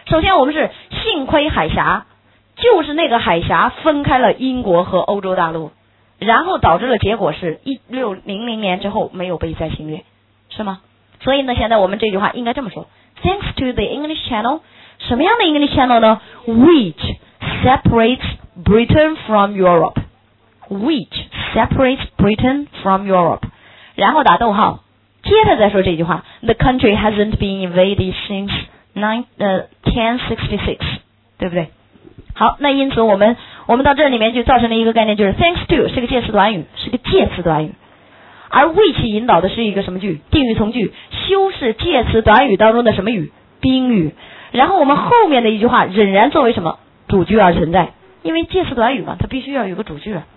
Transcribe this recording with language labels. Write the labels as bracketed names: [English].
[Chinese] 首先我们是幸亏海峡，就是那个海峡分开了英国和欧洲大陆，然后导致了结果是1600年之后没有被再侵略，是吗？所以呢，现在我们这句话应该这么说 [English] thanks to the English Channel， [Chinese] 什么样的 [English] English Channel [Chinese] 呢？ [English] which separates Britain from Europe， which separates Britain from Europe， [Chinese] 然后打逗号，接着再说这句话 [English] the country hasn't been invaded since 1066， [Chinese] 对不对？好，那因此我们到这里面就造成了一个概念，就是 thanks to 是个介词短语，是个介词短语，而 which 引导的是一个什么句？定语从句，修饰介词短语当中的什么语？宾语。然后我们后面的一句话仍然作为什么主句而存在，因为介词短语嘛，它必须要有个主句。